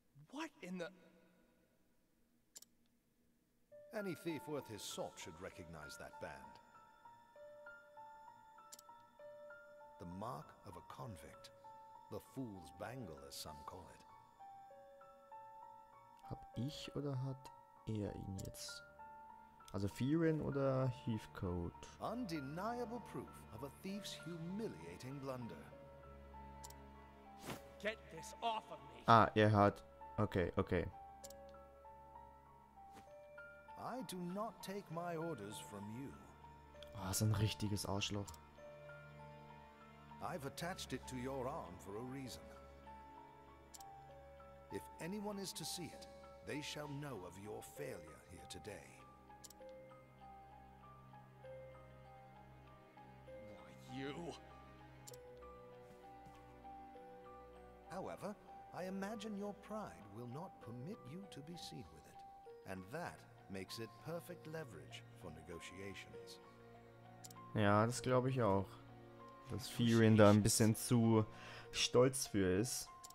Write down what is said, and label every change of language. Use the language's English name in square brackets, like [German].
[English] What in the... Any thief worth his salt should recognize that band. The mark of a convict. The fool's bangle, as some call it. [German] Hab ich oder hat er ihn jetzt? Also Firin oder Heathcote? [English] Undeniable proof of a thief's humiliating blunder. Get this off of me! [German] Ah, er hat... Okay, okay. [English] I do not take my orders from you. [German] Oh, das ist ein richtiges Arschloch. [English] I've attached it to your arm for a reason. If anyone is to see it, they shall know of your failure here today. Why, you? However, I imagine your pride will not permit you to be seen with it. And that makes it perfect leverage for negotiations. [German] Ja, das glaube ich auch. Dass Firin da ein bisschen zu stolz für ist.